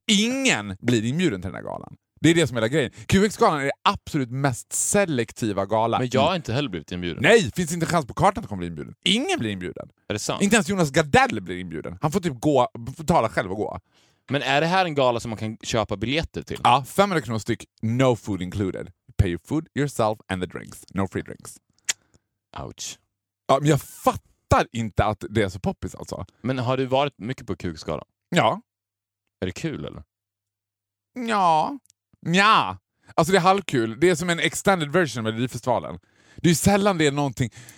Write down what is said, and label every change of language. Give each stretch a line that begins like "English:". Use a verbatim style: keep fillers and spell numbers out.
Swedish: Ingen blir inbjuden till den här galan. Det är det som är hela grejen. Q X-galan är det absolut mest selektiva galan. Men jag har inte heller blivit inbjuden. Nej, finns inte chans på kartan att komma bli inbjuden. Ingen blir inbjuden. Är det sant? Inte ens Jonas Gardell blir inbjuden. Han får typ gå, betala själv och gå. Men är det här en gala som man kan köpa biljetter till? Ja, fem hundra kronor styck.
English: No food included. You pay your food, yourself and the drinks. No free drinks. Ouch.
Swedish: Ja, men jag fattar. Inte att det är så poppis alltså. Men har du varit mycket på Q X-galan? Ja. Är det kul eller? Ja. Ja. Alltså det är halvkul. Det är som en
English: extended version
Swedish: av Melodifestivalen. Det är ju sällan det är någonting.